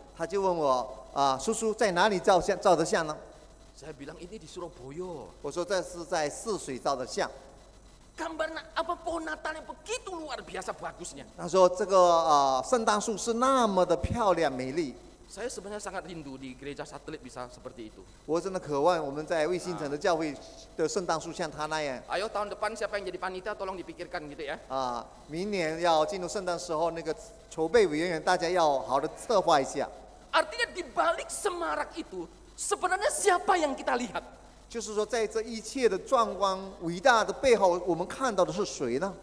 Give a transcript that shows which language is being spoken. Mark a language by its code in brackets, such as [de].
[zh] 他就问我，叔叔在哪里照相呢？ [id] Saya bilang ini di Surabaya. [zh] 我说这是在泗水照的相。 [id] Gambar apa pohon Natal yang begitu luar biasa bagusnya. [zh] 他说这个圣诞树是那么的漂亮美丽。 [id] Saya sebenarnya sangat rindu di gereja satelit bisa seperti itu. [zh] 我真的渴望我们在卫星城的教会的圣诞树像他那样。 [id] Ayo tahun depan siapa yang jadi panitia tolong dipikirkan gitu ya. [zh] 明年要进入圣诞时候，那个筹备委员员大家要好的策划一下。 [id] Artinya di balik semarak itu sebenarnya siapa yang kita lihat? [zh] 就是说在这一切的壮观伟大的背后，我们看到的是谁呢？